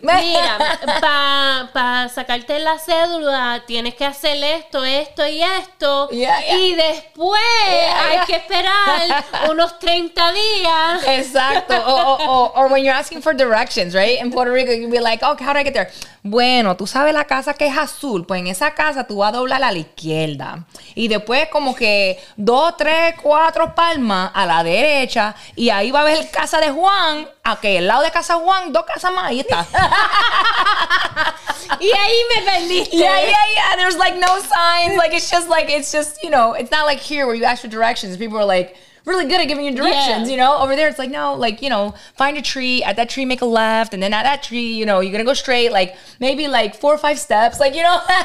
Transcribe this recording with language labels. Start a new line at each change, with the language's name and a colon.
Spanish: Mira, pa sacarte la cédula, tienes que hacer esto.
English: Yeah.
Spanish: Y después hay que esperar unos 30 días. Exacto.
English: Or when you're asking for directions, right? In Puerto Rico, you'd be like, oh, how do I get there?
Spanish: Bueno, tú sabes la casa que es azul, pues en esa casa tú vas a doblar a la izquierda y después como que 2, 3, 4 palmas a la derecha y ahí va a ver casa de Juan, okay, el lado de casa Juan, 2 casas más, ahí está. Y ahí me perdiste.
English: Yeah. There's like no signs, like it's just, you know, it's not like here where you ask for directions. People are like really good at giving you directions, you know? Over there, it's like, no, like, you know, find a tree, at that tree, make a left, and then at that tree, you know, you're gonna go straight, like, maybe, like, 4 or 5 steps, like, you know?